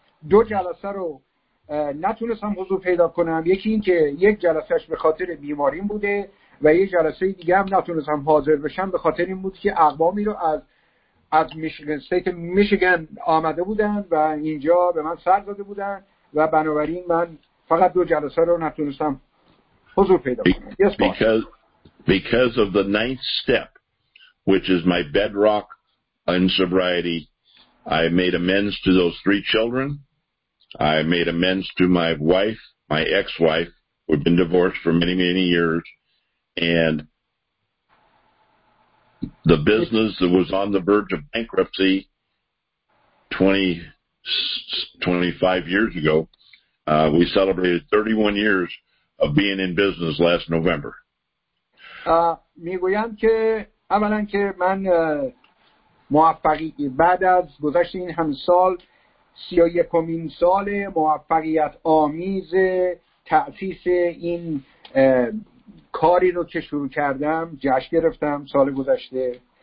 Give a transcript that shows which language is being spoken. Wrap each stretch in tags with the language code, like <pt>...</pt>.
<fa>دو جلسه رو نتونستم حضور پیدا کنم، یکی این که یک جلسهش به خاطر بیماریم بوده و یک جلسه دیگه هم نتونستم حاضر بشم به خاطر این بود که اقوامی رو از میشیگن، استیت میشیگن آمده بودن و اینجا به من سر زده بودن و بنابراین من فقط دو جلسه رو نتونستم حضور پیدا کنم.</fa> <en>Yes, because of the ninth step which is my bedrock in sobriety, I made amends to those three children. I made amends to my wife, my ex-wife, who had been divorced for many, many years. And the business that was on the verge of bankruptcy 25 years ago, we celebrated 31 years of being in business last November.</en> <fa>میگویم که اولا که من موفقی بعد از گذشت این هم سال 31 سال موفقیت آمیز تأسیس این کاری رو که شروع کردم جشن گرفتم سال گذشته.</fa>